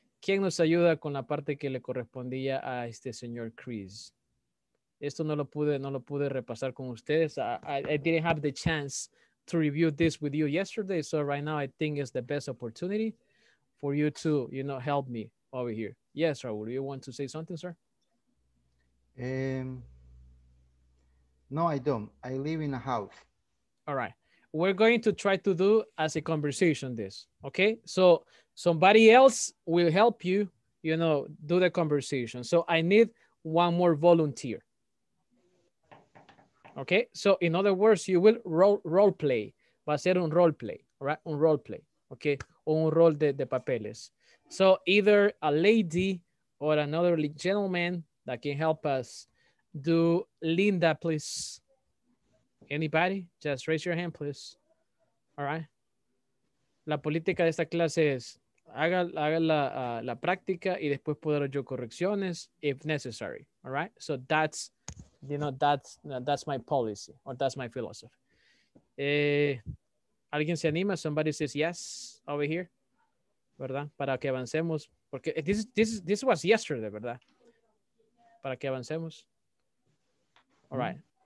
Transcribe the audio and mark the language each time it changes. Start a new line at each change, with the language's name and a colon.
Spanish: ¿Quién nos ayuda con la parte que le correspondía a este señor Chris? Esto no lo pude repasar con ustedes.
English: I didn't have the chance to review this with you yesterday. So right now I think it's the best opportunity for you to, you know, help me over here. Yes, Raul, you want to say something, sir? No, I don't. I live in a house. All right. We're going to try to do as a conversation this. Okay. So somebody else will help you, you know, do the conversation. So I need one more volunteer. Okay. So in other words, you will role play.
Spanish: Va a ser un role play.
English: All right.
Spanish: Un role play. Okay. Un rol de papeles.
English: So either a lady or another gentleman that can help us. Do Linda, please. Anybody? Just raise your hand, please. All right.
Spanish: La política de esta clase es haga la práctica y después puedo yo correcciones
English: if necessary. All right. So that's, you know, that's my policy or that's my philosophy.
Spanish: ¿Alguien se anima?
English: Somebody says yes over here.
Spanish: ¿Verdad? Para que avancemos. Porque
English: this was yesterday,
Spanish: ¿verdad? Para que avancemos.
English: All right.